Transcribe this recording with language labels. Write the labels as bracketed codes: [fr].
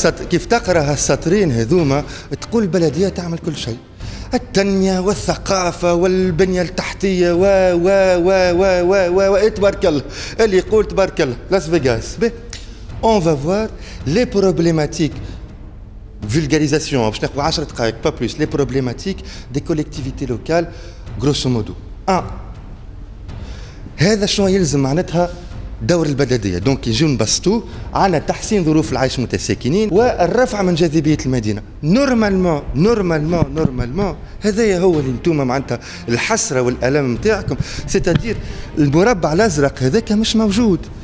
[ar] كيف تقرأ هالسطرين هذوما تقول البلدية تعمل كل شيء، التنمية والثقافة والبنية التحتية و و و و و و و تبارك الله اللي يقول تبارك الله لاس فيغاس به. [fr] On va voir les problématiques, vulgarisation, je n'ai pas [ar] 10 دقائق, [fr] pas plus, les problématiques des collectivités locales, grosso modo. 1. [ar] هذا شنو يلزم معناتها دور البلدية. دونك يجيو نبسطو على تحسين ظروف العيش المتساكنين والرفع من جاذبية المدينة. نورمالمون هذايا هو اللي انتوما معناتها الحسرة والألم نتاعكم، ستادير المربع الأزرق هذاك مش موجود.